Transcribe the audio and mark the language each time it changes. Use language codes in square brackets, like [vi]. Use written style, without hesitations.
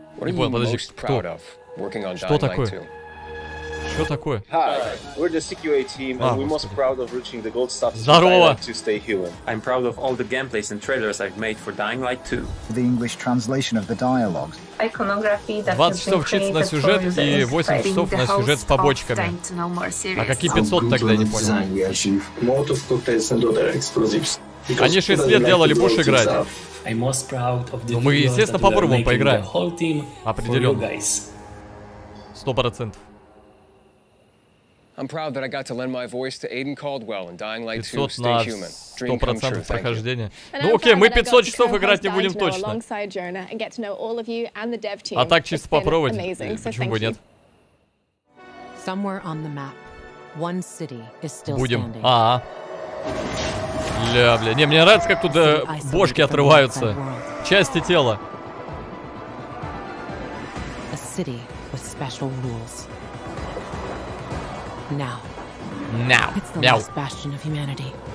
[en] What are you [ru] подожди, [en] most proud of working on Dying Light 2? [ru] Что такое? [en] Hi, we're the CQA team, and we're most proud of reaching the gold status. [ru] Здорово. [en] To stay human. I'm proud of all the gameplays and trailers I've made for Dying Light 2. The English translation of the dialogues. Iconography. [ru] 20 часов учиться на сюжет и 8 часов на сюжет с побочками. А какие 500 тогда, не понял. Они 6 лет делали больше играть. Но мы, естественно, попробуем поиграть. Определенно. 100%. [en] I'm proud that I got to lend my voice to Aiden Caldwell in Dying Light 2: Stay Human. [ru] 100% прохождения. Ну окей, мы 500 часов играть не будем точно. А так чисто попробовать. Почему бы нет? [en] Somewhere on the map, one city is still [ru] будем. Ага. Бля. Не, мне нравится, как туда бошки отрываются. Части тела. [en] A city with special rules. Now. Now. It's the last bastion of humanity.